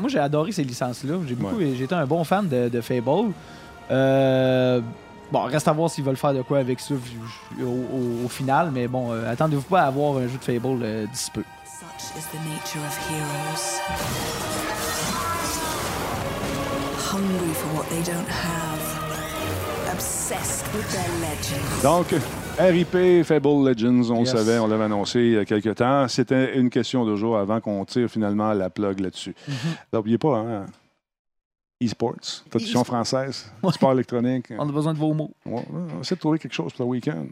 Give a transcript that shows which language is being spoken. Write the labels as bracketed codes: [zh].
[fr] Moi, j'ai adoré ces licences-là. J'ai été un bon fan de Fable. Reste à voir s'ils veulent faire de quoi avec ça au final. Mais bon, attendez-vous pas à avoir un jeu de Fable d'ici peu. [en] Such is the nature of heroes. Hungry for what they don't have. Obsessed with their legends. [fr] Donc. RIP, Fable Legends, on le savait, on l'avait annoncé il y a quelques temps. C'était une question de jour avant qu'on tire finalement la plug là-dessus. Mm-hmm. N'oubliez pas, e-sports, traduction française, sport électronique. On a besoin de vos mots. Ouais, on essaie de trouver quelque chose pour le week-end.